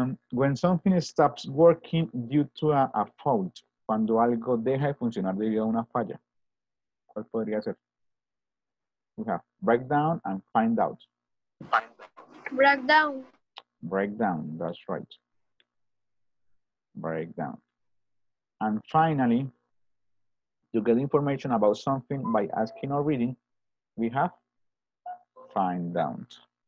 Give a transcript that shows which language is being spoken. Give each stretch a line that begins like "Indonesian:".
English: When something stops working due to a fault.
Spanish: Cuando algo deja de funcionar debido a una falla. ¿Cuál podría ser?
English: We have breakdown and find out. Breakdown. Breakdown. That's right. Breakdown. And finally, to get information about something by asking or reading, we have find out.